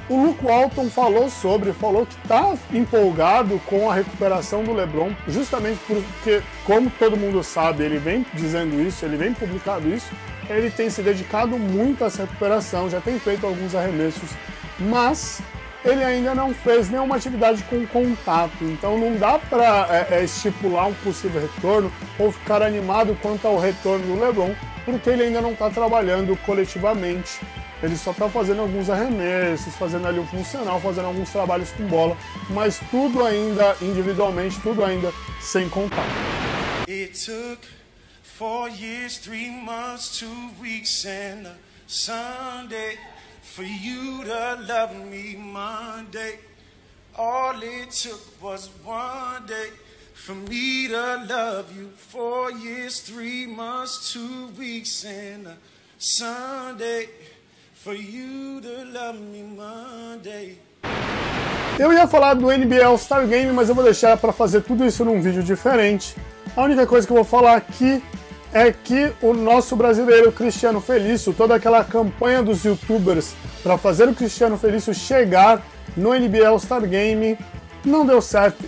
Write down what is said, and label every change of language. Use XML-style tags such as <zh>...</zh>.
<pt>O Luke Walton falou que está empolgado com a recuperação do LeBron, justamente porque, como todo mundo sabe, ele vem dizendo isso, ele vem publicando isso, ele tem se dedicado muito a essa recuperação, já tem feito alguns arremessos, mas ele ainda não fez nenhuma atividade com contato, então não dá para estipular um possível retorno ou ficar animado quanto ao retorno do LeBron, porque ele ainda não está trabalhando coletivamente. Ele só está fazendo alguns arremessos, fazendo ali o funcional, fazendo alguns trabalhos com bola, mas tudo ainda individualmente, tudo ainda sem contato.</pt> <en>It took 4 years, 3 months, 2 weeks and a Sunday for you to love me Monday. All it took was one day for me to love you. 4 years, 3 months, 2 weeks and a Sunday. For you to love me Monday.</en> <pt>Eu ia falar do NBA All-Star Game, mas eu vou deixar para fazer tudo isso num vídeo diferente. A única coisa que eu vou falar aqui é que o nosso brasileiro Cristiano Felício, toda aquela campanha dos youtubers para fazer o Cristiano Felício chegar no NBA All-Star Game, não deu certo.</pt>